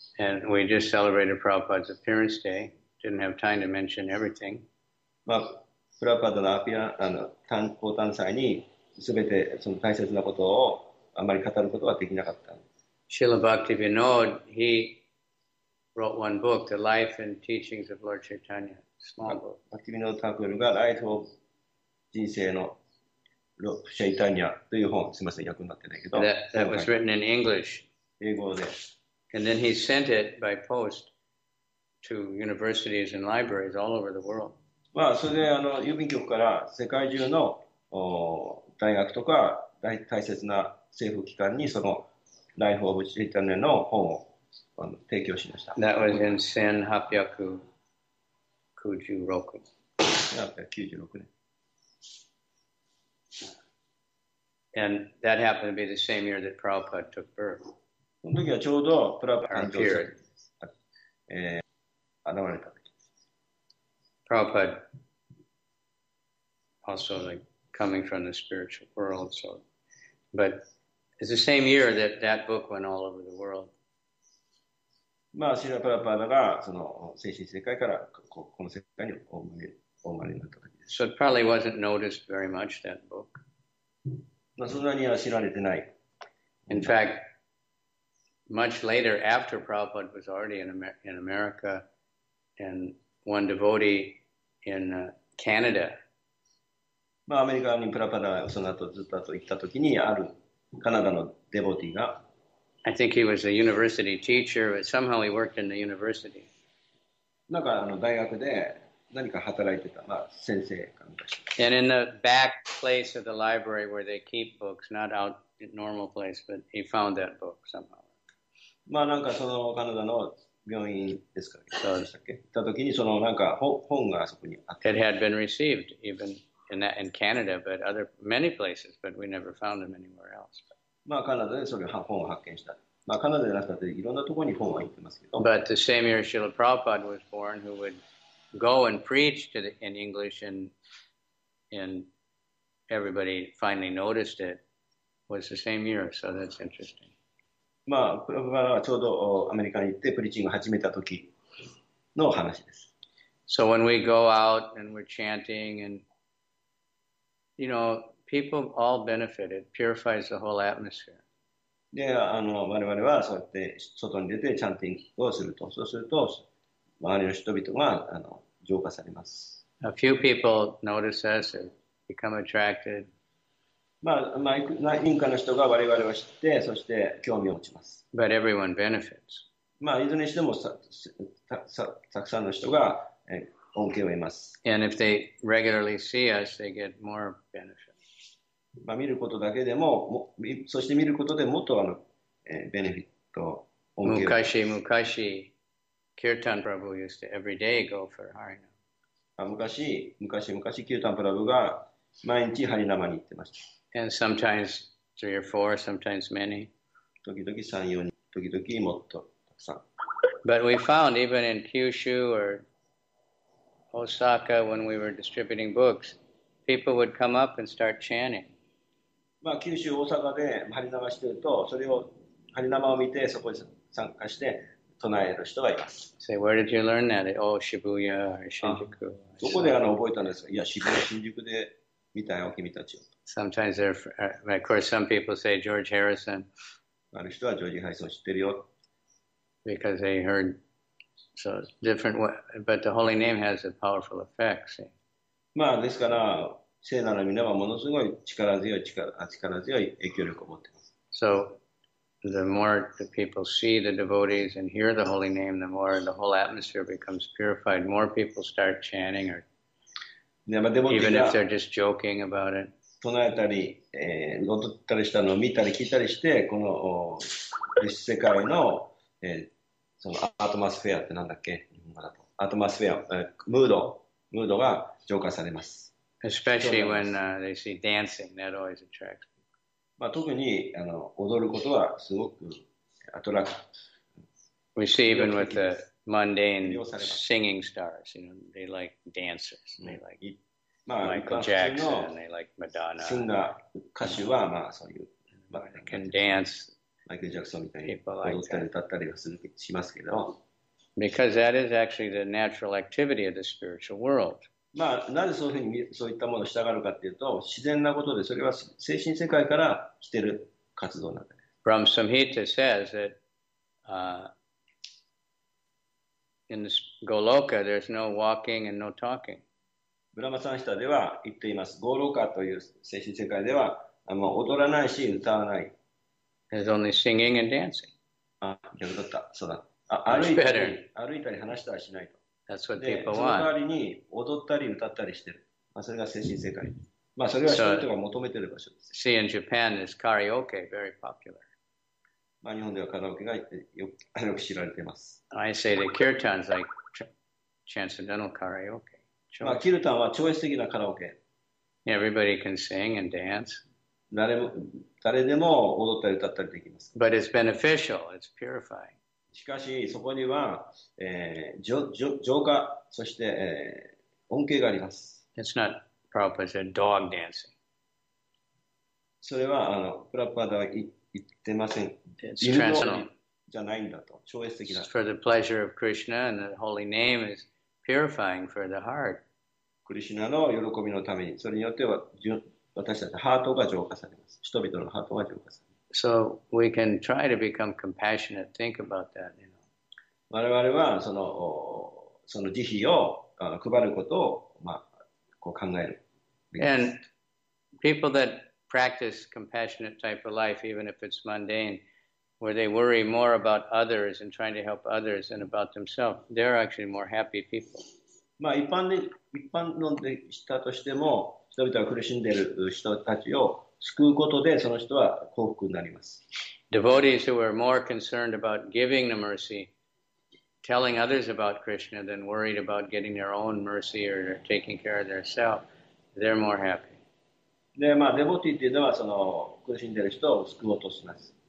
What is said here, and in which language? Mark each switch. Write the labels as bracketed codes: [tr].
[en] And we just celebrated Prabhupada's appearance day. Didn't have time to mention everything. [ja] まあ、プラパダのアピア、降誕祭に全てその大切なことをあまり語ることはできなかった。 [en] Srila Bhaktivinoda, he wrote one book, The Life and Teachings of Lord Chaitanya, small book. [ja] Bhaktivinoda Thakur が Life of 人生の Chaitanya という本、すみません、訳になってないけど。 [en] That was written in English. [ja] 英語で。 [en] And then he sent it by post to universities and libraries all over the world. [ja] まあ、それで郵便局から世界中の大学とか大切な政府機関にそのLife of Chaitanya の本を提供しました。 [en] That was in 1896. [ja] 1896年。 [en] And that happened to be the same year that Prabhupada took birth. [ja] その時はちょうどプラパダ誕生日。現れた時です。 [en] Prabhupada also like coming from the spiritual world, so, but. It's the same year that that book went all over the world. [ja] まあ、シラプラパダがその精神世界からこの世界にお生まれになった時です。 [en] So it probably wasn't noticed very much, that book. [ja] まあ、そんなには知られてない。 [en] In fact, much later, after Prabhupada was already in America, and one devotee in Canada. [ja] まあ、アメリカにプラパダがその後ずっと行った時にあるカナダのデボティが、 [en] I think he was a university teacher, but somehow he worked in the university. [ja] なんか大学で何か働いてた、まあ先生かなんか。 [en] And in the back place of the library where they keep books, not out in normal place, but he found that book somehow. [ja] まあなんかそのカナダの病院ですか、そうでしたっけ？行った時にそのなんか本があそこにあった。 [en] It had been received even. In Canada, but other many places, but we never found them anywhere else. [ja] まあカナダでそれ本を発見した。まあカナダでなくていろんなところに本は行ってますけど。 [en] But the same year Srila Prabhupada was born, who would go and preach to the, in English and everybody finally noticed it, was the same year. So that's interesting. [ja] まあプラパダはちょうどアメリカに行ってプリーチングを始めた時の話です。 [en] So when we go out and we're chanting andYou know, people all benefit. It purifies the whole atmosphere. [ja] で、我々はそうやって外に出てチャンティングをすると、そうすると周りの人々が浄化されます。 [en] A few people notice us and become attracted. [ja] まあ、何人かの人が我々を知って、そして興味を持ちます。 [en] But everyone benefits. [ja] まあ、いずれにしてもたくさんの人が、恩恵を得ます。 [en] And if they regularly see us, they get more benefit. [ja] まあ見ることだけでも、そして見ることでもっとベネフィット、恩恵を得ます。昔、 [en] Kirtan Prabhu used to every day go for Harinam. [ja] 昔、Kirtan Prabhu が毎日ハリナマに行ってました。 [en] And sometimes three or four, sometimes many. [ja] 時々三、四人、時々もっとたくさん。 [en] But we found even in Kyushu orOsaka, when we were distributing books, people would come up and start chanting. [ja] まあ九州大阪でハリナマしてると、それをハリナマを見てそこに参加して唱える人がいます。 [en] Say, where did you learn that? Oh, Shibuya or Shinjuku. [ja] どこで覚えたんですか？いや、渋谷、新宿で見たよ、君たちを。 [en] Sometimes there, of course, some people say George Harrison. [ja] ある人はジョージ・ハリソン知ってるよ。 [en] Because they heard. So it's different, but the holy name has a powerful effect, see. [ja] まあですから、聖なる皆はものすごい力強い影響力を持っています。 [en] So the more the people see the devotees and hear the holy name, the more the whole atmosphere becomes purified. More people start chanting or even if they're just joking about it. [ja] 唱えたり、踊ったりしたのを見たり聞いたりして、この物質世界の、そのアトマスフェアってなんだっけ日本語だとアトマスフェア、ムードが浄化されます。 [en] Especially when they see dancing, that always attracts. [ja] まあ、特に踊ることはすごくアトラクト。 [en] We see even with the mundane singing stars, you know, they like dancers, they like Michael Jackson, they like Madonna. [ja] シンガー歌手はまあそういう、まあ、 [en] can dance, [ja] Michael Jackson みたいに踊ったり歌ったりはするしますけど。 [en] Because that is actually the natural activity of the spiritual world. [ja] まあ、なぜそういうふうにそういったものを従うかっていうと、自然なことで、それは精神世界から来てる活動なんだね。 [en] Brahma Samhita says that, in this Goloka, there's no walking and no talking. [ja] ブラマサンヒタでは言っています。ゴロカという精神世界では、踊らないし、歌わない。 [en] There's only singing and dancing. [ja] あ、逆だった。そうだ。歩いたり話したりしないと。 [en] That's what people want. [ja] その代わりに踊ったり歌ったりしてる。まあ、それが精神世界。まあ、それは人々が求めてる場所です。 [en] See in Japan is karaoke very popular. [ja] まあ、日本ではカラオケがよく知られてます。 [en] I say the kirtan is like transcendental karaoke. [ja] まあ、キルタンは超越的なカラオケ。 [en] Everybody can sing and dance. [ja] 誰でも踊ったり歌ったりできます。 [en] But it's beneficial. It's purifying. [ja] しかしそこには、浄化そして、恩恵があります。 [en] It's not proper as a dog dancing. [ja] それはプラパダは言ってません。 [en] It's transcendental. [ja] じゃないんだと。超越的だ。 [en] It's for the pleasure of Krishna and the holy name is purifying for the heart. [ja] クリシナの喜びのために、それによっては私たちのハートが浄化されます。人々のハートが浄化されます。 [en] So we can try to become compassionate. Think about that, you know. [ja] 我々はその慈悲を配ることを、まあ、こう考える。 [en] And people that practice compassionate type of life, even if it's mundane, where they worry more about others and trying to help others than about themselves, they're actually more happy people. [ja] まあ一般論でしたとしても、人々が苦しんでいる人たちを救うことでその人は幸福になります。 [en] Devotees who are more concerned about giving the mercy, telling others about Krishna than worried about getting their own mercy or taking care of themselves, they're more happy. [ja] で、まあ、デボティっていうのはその苦しんでいる人を救おうとします。